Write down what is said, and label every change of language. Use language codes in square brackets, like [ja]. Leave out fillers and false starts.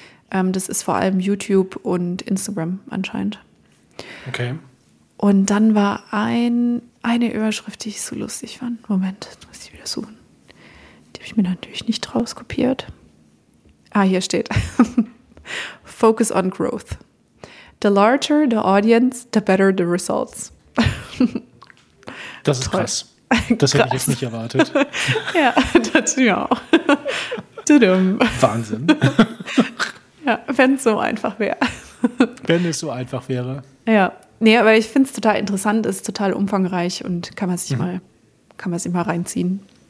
[de] Das ist vor allem YouTube und Instagram anscheinend. Okay. Und dann war eine Überschrift, die ich so lustig fand. Moment, das muss ich wieder suchen. Die habe ich mir natürlich nicht rauskopiert. Ah, hier steht. [en] Focus on growth. The larger the audience, the better the results. [de] Das ist toll. Krass. Das hätte ich jetzt nicht erwartet. Ja, das ja auch. Wahnsinn. Ja, wenn es so einfach wäre. Wenn es so einfach wäre. Ja, nee, aber ich finde es total interessant, ist total umfangreich und kann man sich mal reinziehen.